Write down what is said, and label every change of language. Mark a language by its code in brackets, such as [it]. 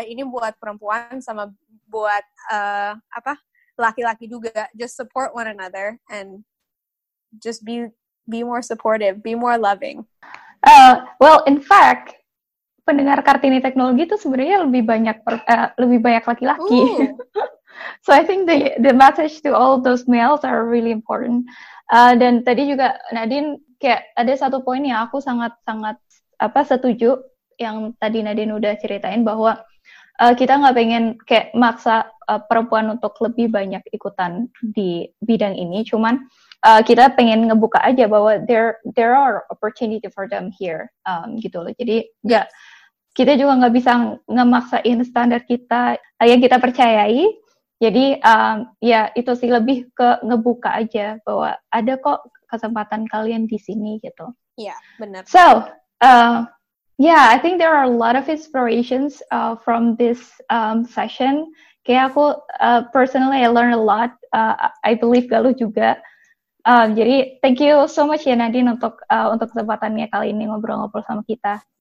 [id] Ini buat perempuan sama buat laki-laki juga. [en] Just support one another and just be more supportive, be more loving. Well, in fact, [id] pendengar Kartini Teknologi itu sebenarnya lebih banyak laki-laki. [en] So I think the message to all those males are really important. [id] Dan tadi juga Nadine kayak ada satu poin yang aku sangat setuju yang tadi Nadine udah ceritain bahwa kita nggak pengen kayak maksa perempuan untuk lebih banyak ikutan di bidang ini. Cuman kita pengen ngebuka aja bahwa [en] there are opportunity for them here, [id] gitu loh. Jadi nggak, kita juga nggak bisa ngemaksain standar kita yang kita percayai. Jadi ya itu sih lebih ke ngebuka aja bahwa ada kok kesempatan kalian di sini gitu. Iya, benar. [en] So I think there are a lot of inspirations from this session. [id] Kayak aku [en] personally I learned a lot. I believe [id] Galuh juga. Jadi [en] thank you so much [id] ya Nadine untuk kesempatannya kali ini ngobrol-ngobrol sama kita.